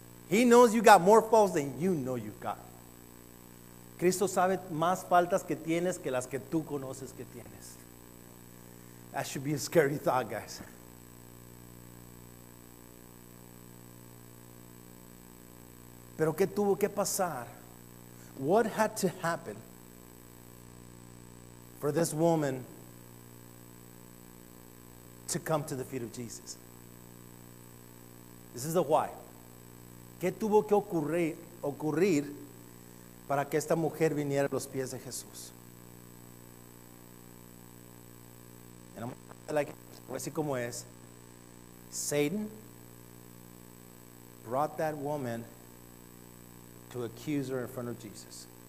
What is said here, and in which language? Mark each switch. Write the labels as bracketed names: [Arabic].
[English] He knows you got more faults than you know you've got. [Spanish] Cristo sabe más faltas que tienes que las que tú conoces que tienes. [English] That should be a scary thought, guys. [Spanish] Pero ¿qué tuvo que pasar? [English] What had to happen for this woman to come to the feet of Jesus? This is the why. [Spanish] ¿Qué tuvo que ocurrir para que esta mujer viniera a los pies de Jesús? [English] And I'm like, [Spanish] así como es, [English] Satan brought that woman to accuse her in front of Jesus.